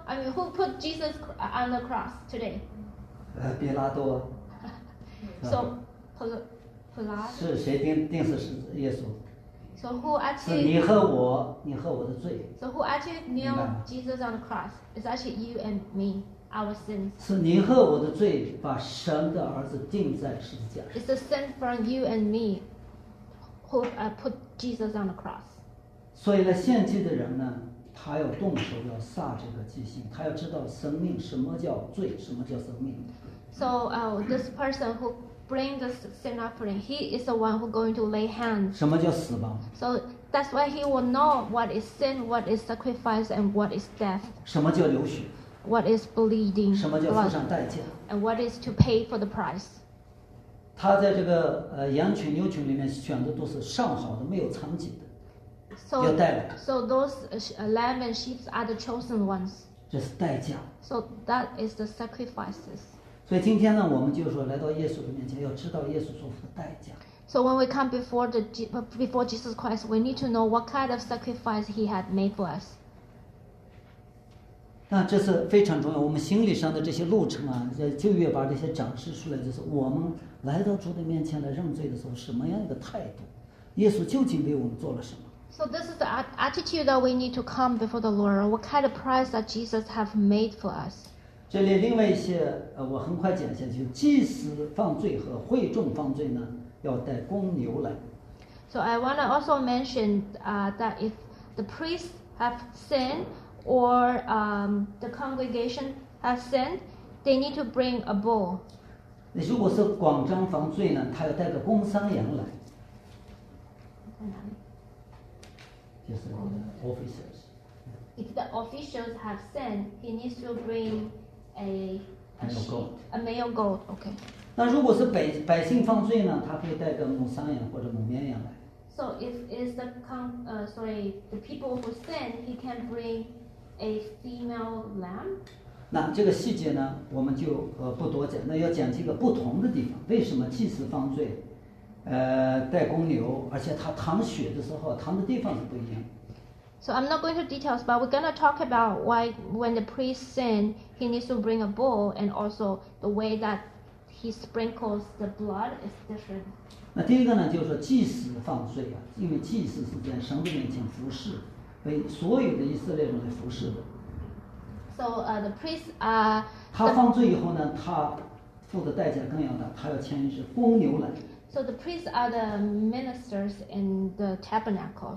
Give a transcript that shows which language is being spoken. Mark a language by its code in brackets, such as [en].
[en] I mean, who put Jesus on the cross today? [zh] 比拉多。 [en] So Pilate. [zh] 是谁钉死十字耶稣？ [en] So who actually, [zh] 是你和我，你和我的罪。 [en] So who actually nailed Jesus on the cross? It's actually you and me, our sins. [zh] 是你和我的罪，把神的儿子钉在十字架上。 [en] It's the sin from you and me, who put Jesus on the cross. [zh] 所以呢，献祭的人呢，他要动手要杀这个祭牲，他要知道生命什么叫罪，什么叫生命。 [en] So this person who bring the sin offering, he is the one who going to lay hands. [zh] 什么叫死亡？ [en] So that's why he will know what is sin, what is sacrifice, and what is death. [zh] 什么叫流血？ [en] What is bleeding? [zh] 什么叫付上代价？ [en] And what is to pay for the price? [zh] 他在这个羊群牛群里面选的都是上好的，没有残疾的，要带来。 [en] So those lamb and sheep are the chosen ones. [zh] 这是代价。 [en] So that is the sacrifices. [zh] 所以今天呢，我们就说来到耶稣的面前，要知道耶稣所付的代价。 [en] So when we come before Jesus Christ, we need to know what kind of sacrifice He had made for us. [zh] 那这是非常重要。我们心理上的这些路程啊，在旧约把这些展示出来，就是我们来到主的面前来认罪的时候，什么样一个态度？耶稣究竟为我们做了什么 [en] ？So this is the attitude that we need to come before the Lord. What kind of price that Jesus have made for us? [zh] 这里另外一些我很快讲一下，就是祭司犯罪和会众犯罪呢，要带公牛来。 [en] So I want to also mention that if the priests have sinned or the congregation has sinned, they need to bring a bull. [zh] 如果是广张犯罪呢，他要带个公山羊来。就是 [en] officers. If the officials have sinned, he needs to bring. A male goat, okay. [zh] 那如果是百姓犯罪呢？他可以带个母山羊或者母绵羊来。 [en] So if is the the people who sin, he can bring a female lamb. [zh] 那这个细节呢，我们就不多讲。那要讲几个不同的地方。为什么祭司犯罪，带公牛，而且他淌血的时候，淌的地方是不一样。 [en] So I'm not going to details, but we're going to talk about why when the priest sinned, he needs to bring a bull, and also the way that he sprinkles the blood is different. [zh] 那第一个呢，就是说祭司犯罪啊，因为祭司是在神的面前服侍，为所有的以色列人来服侍的。 [en] So the priest [zh] 他犯罪以后呢，他付的代价更要大，他要牵一只公牛来。 [en] So the priests are the ministers in the tabernacle.